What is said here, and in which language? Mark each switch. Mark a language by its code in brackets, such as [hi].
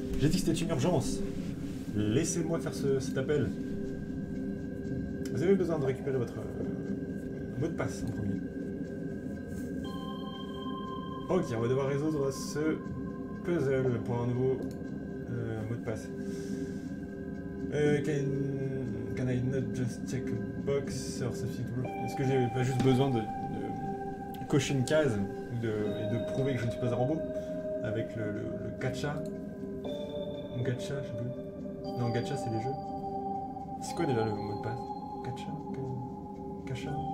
[fr] J'ai dit que c'était une urgence. Laissez-moi faire cet appel. Vous avez besoin de récupérer votre mot de passe en premier. Ok, on va devoir résoudre ce puzzle pour un nouveau mot de passe. [en] Can I not just check a box or something? [fr] Est-ce que j'ai pas juste besoin de cocher une case et de prouver que je ne suis pas un robot avec le gacha? Gacha, je sais plus. Non, gacha, c'est les jeux. C'est quoi déjà le mot de passe? Gacha? Cacha?